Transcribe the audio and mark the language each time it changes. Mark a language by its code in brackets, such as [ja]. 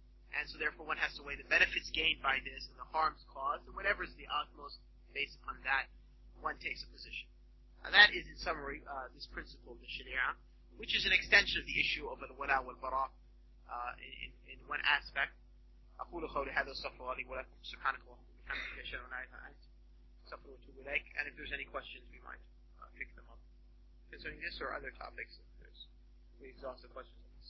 [en] And so therefore one has to weigh the benefits gained by this and the harms caused, and whatever is the utmost based upon that, one takes a position. And that is, in summary, this principle of the Sharia, which is an extension of the issue of al-wala wal-bara in one aspect. [ar] أقول قولي هذا استغفر الله لي ولكم سبحانك اللهم وبحمدك اشهد ان لا اله الا انت استغفر الله واتوب اليك. [en] And if there's any questions, we might pick them up concerning this or other topics. If there's, we exhaust the questions.